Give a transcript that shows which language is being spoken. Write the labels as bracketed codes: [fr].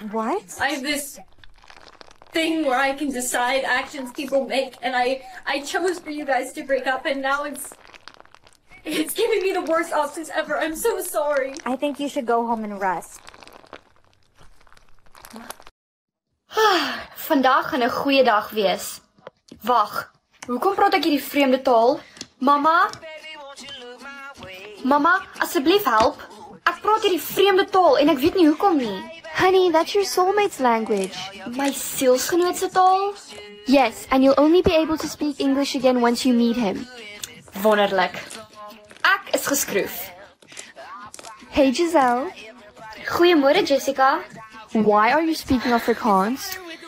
[en] What? I have this thing where I can decide actions people make, and I chose for you guys to break up, and now it's giving me the worst options ever. I'm so sorry. I think you should go home and rest. [af] Vandaag gaan 'n goeie dag wees. Wag, hoekom praat ek hierdie vreemde taal? Mama? Mama, asseblief help. Ek praat hierdie vreemde taal en ek weet nie hoekom nie. [en] Honey, that's your soulmate's language. [af] My sielsgenoot se taal? [en] Yes, and you'll only be able to speak English again once you meet him. [af] Wonderlik. Ek is geskroef. [en] Hey Giselle. [af] Goeiemôre Jessica. [en] Why are you speaking Afrikaans?